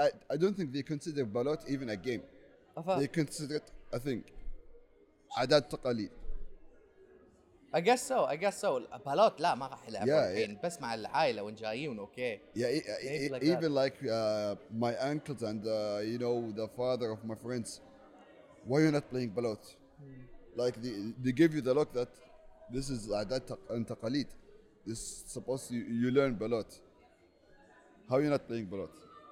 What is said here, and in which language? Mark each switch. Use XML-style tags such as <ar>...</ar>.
<en>I don't think they consider بلوت even a game. They consider it a thing.</en> <ar>عادات تقاليد.</ar> <en>I guess so.</en> <ar>بلوت لا ما راح يلعب الحين بس مع العائلة وين جايين اوكي.</ar> <en>Even like my uncles and you know the father of my friends. Why are you not playing بلوت? Like they give you the look that this is</en> <ar>عادات تقاليد.</ar> <en>It's supposed you learn بلوت. How are you not playing بلوت?</en>